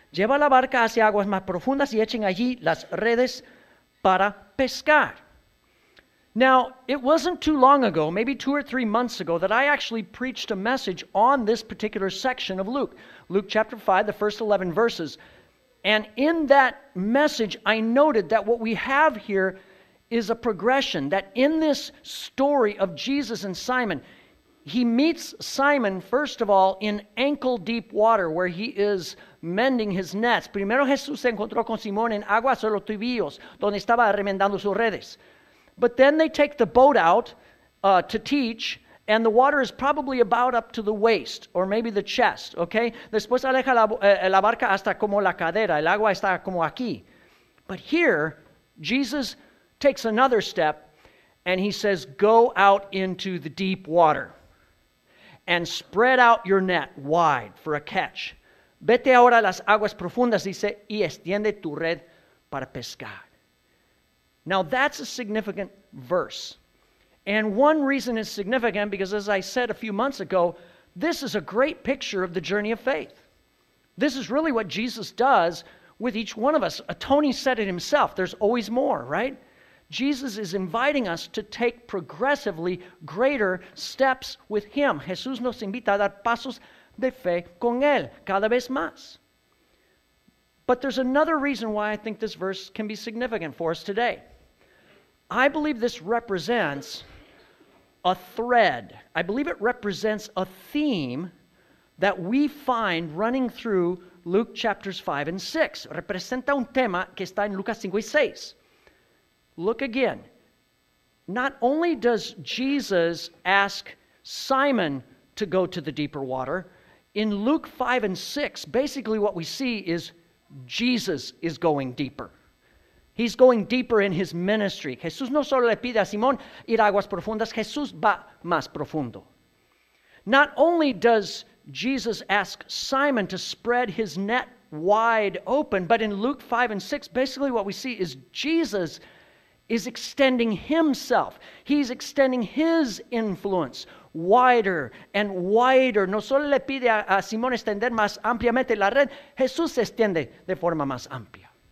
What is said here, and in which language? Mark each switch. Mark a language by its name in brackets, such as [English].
[Spanish] Lleva la barca hacia aguas más profundas y echen allí las redes para pescar. [English] Now, it wasn't too long ago, maybe 2 or 3 months ago, that I actually preached a message on this particular section of Luke. Luke chapter 5, the first 11 verses. And in that message, I noted that what we have here is a progression, that in this story of Jesus and Simon, he meets Simon, first of all, in ankle-deep water where he is mending his nets. [Spanish] Primero Jesús se encontró con Simón en aguas de los tibios, donde estaba remendando sus redes. [English] But then they take the boat out to teach, and the water is probably about up to the waist, or maybe the chest, okay? [Spanish] Después aleja la barca hasta como la cadera, el agua está como aquí. [English] But here, Jesus takes another step, and he says, go out into the deep water and spread out your net wide for a catch. [Spanish] Vete ahora a las aguas profundas, dice, y extiende tu red para pescar. [English] Now, that's a significant verse. And one reason it's significant, because as I said a few months ago, this is a great picture of the journey of faith. This is really what Jesus does with each one of us. Tony said it himself, there's always more, right? Jesus is inviting us to take progressively greater steps with him. [Spanish] Jesús nos invita a dar pasos de fe con él, cada vez más. [English] But there's another reason why I think this verse can be significant for us today. I believe this represents a thread. I believe it represents a theme that we find running through Luke chapters 5 and 6. [Spanish] Representa un tema que está en Lucas 5 y 6. [English] Look again. Not only does Jesus ask Simon to go to the deeper water, in Luke 5 and 6, basically what we see is Jesus is going deeper. He's going deeper in his ministry. [Spanish] Jesús no solo le pide a Simón ir a aguas profundas, Jesús va más profundo. [English] Not only does Jesus ask Simon to spread his net wide open, but in Luke 5 and 6, basically what we see is Jesus is extending himself. He's extending his influence wider and wider. [Spanish] No solo le pide a Simón extender más ampliamente la red, Jesús se extiende de forma más amplia.